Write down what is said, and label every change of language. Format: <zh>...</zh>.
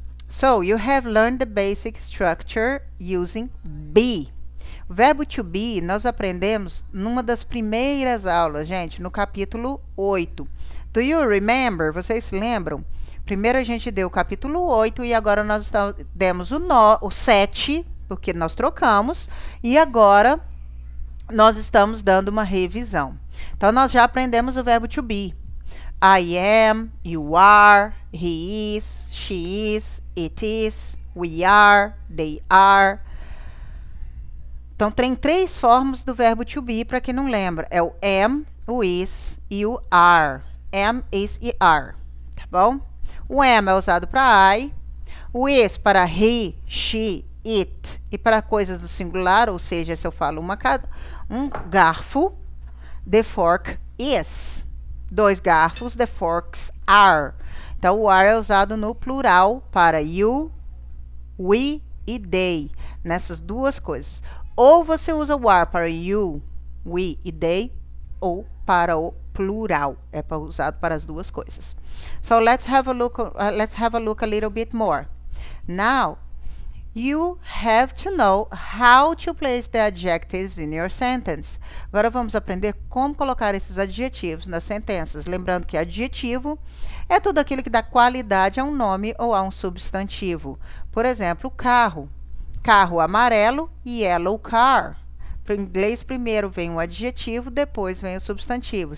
<en>So, you have learned the basic structure using be.</en> <pt>O verbo to be nós aprendemos numa das primeiras aulas, gente, no capítulo 8.</pt> <en>Do you remember?</en> <pt>Vocês se lembram? Primeiro a gente deu o capítulo 8 e agora nós demos o 7, porque nós trocamos, e agora nós estamos dando uma revisão. Então, nós já aprendemos o verbo to be.</pt> <en>I am, you are, he is, she is, it is, we are, they are.</en> <pt>Então, tem três formas do verbo to be, para quem não lembra. É o am, o is e o are. Am, is e are. Tá bom? O am é usado para I, o is para he, she, it e para coisas do singular, ou seja, se eu falo um garfo,</pt> <en>the fork is.</en> <pt>Dois garfos,</pt> <en>the forks are.</en> <pt>Então, o are é usado no plural para you, we e they, nessas duas coisas. Ou você usa o are para you, we e they, ou para o plural. É usado para as duas coisas.</pt> <en>So, let's have a look a little bit more. Now, you have to know how to place the adjectives in your sentence.</en> <pt>Agora vamos aprender como colocar esses adjetivos nas sentenças. Lembrando que adjetivo é tudo aquilo que dá qualidade a um nome ou a um substantivo. Por exemplo, carro. Carro amarelo,</pt> <en>yellow car.</en> <pt>Para o inglês, primeiro vem o adjetivo, depois vem o substantivo.</pt>